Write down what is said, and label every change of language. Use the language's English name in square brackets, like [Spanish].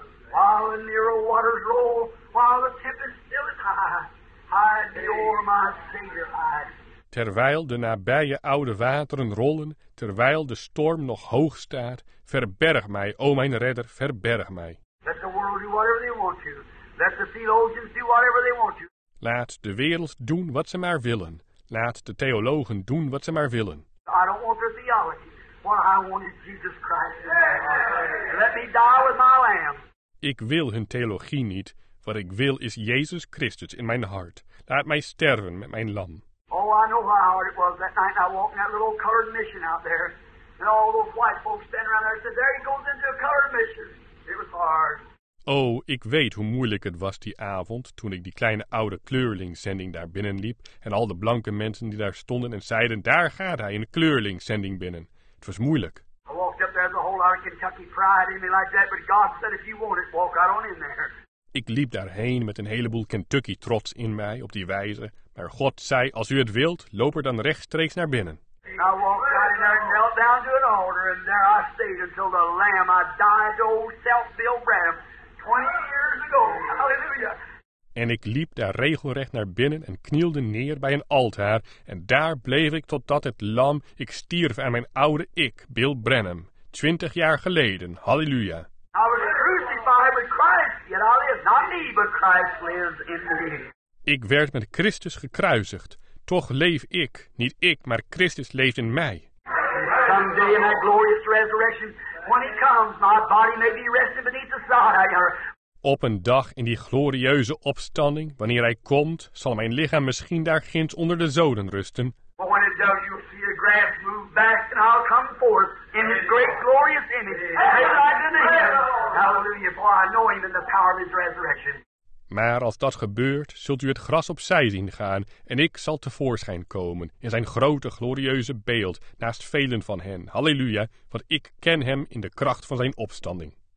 [English] While the Nero waters roll, while the tempest still is high, hide me o'er my Savior, hide. [Dutch] Terwijl de nabije oude wateren rollen, terwijl de storm nog hoog staat, verberg mij, o mijn redder, verberg mij. [English] Let the world do whatever they want to. Let the theologians do whatever they want to. [Dutch] Laat de wereld doen wat ze maar willen. Laat de theologen doen wat ze maar willen. [English] I don't want their theology. What I want is Jesus Christ. Let me die with my lamb. [Dutch] Ik wil hun theologie niet. Wat ik wil is Jezus Christus in mijn hart. Laat mij sterven met mijn lam. [English] Oh, Oh, I know how hard it was that night, and I walked in that little colored mission out there, and all those white folks standing around there said, there he goes into a colored mission. It was hard. [Dutch] Oh, ik weet hoe moeilijk het was die avond toen ik die kleine oude kleurlingszending daar binnenliep en al de blanke mensen die daar stonden en zeiden, daar gaat hij in de kleurlingszending binnen. Het was moeilijk. [English] I walked up there with a whole lot of Kentucky pride in me like that, but God said if you want it, walk out on in there. [Dutch] Ik liep daarheen met een heleboel Kentucky trots in mij op die wijze, maar God zei, als u het wilt, loop er dan rechtstreeks naar binnen. [English] I walked out in there and knelt down to an altar and there I stayed until the lamb I died to old self Bill Branham. 20 years ago. [Dutch] En ik liep daar regelrecht naar binnen en knielde neer bij een altaar. En daar bleef ik totdat het lam, ik stierf aan mijn oude ik, Bill Branham. 20 jaar geleden. Halleluja. [English] I was crucified with Christ, yet I live. Not me, but Christ lives in me. [Dutch] Ik werd met Christus gekruisigd. Toch leef ik. Niet ik, maar Christus leeft in mij. [English] Someday in that glorious resurrection. When he comes, my body may be resting beneath the sod. [Dutch] Op een dag in die glorieuze opstanding, wanneer hij komt, zal mijn lichaam misschien daar ginds onder de zoden rusten. [English] But when it does, you'll see the grass move back and I'll come forth in his great glorious image. Hallelujah, for I know him in the power of his resurrection. [Dutch] Maar als dat gebeurt, zult u het gras opzij zien gaan en ik zal tevoorschijn komen in zijn grote glorieuze beeld naast velen van hen. Halleluja, want ik ken hem in de kracht van zijn opstanding.